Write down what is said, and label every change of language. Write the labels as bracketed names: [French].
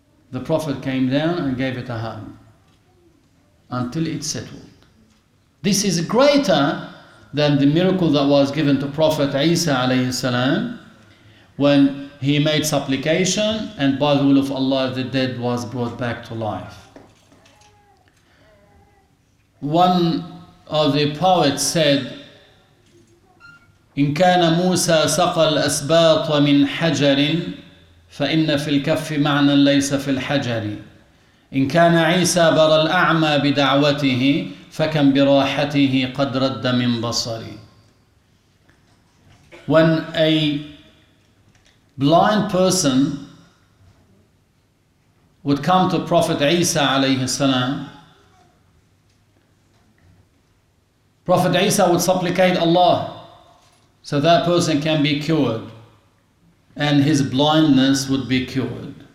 [English] The Prophet came down and gave it a hug until it settled. This is greater than the miracle that was given to Prophet Isa alayhi salam when he made supplication and by the will of Allah the dead was brought back to life. One of the poets said, [Arabic] إن كان موسى سقى الأسباط من حجر فإن في الكف معنى ليس في الحجر إن كان عيسى برى الأعمى بدعوته فكم براحته قد رد من بصري. [English] When a blind person would come to Prophet Isa alayhi salam, Prophet Isa would supplicate Allah so that person can be cured and his blindness would be cured.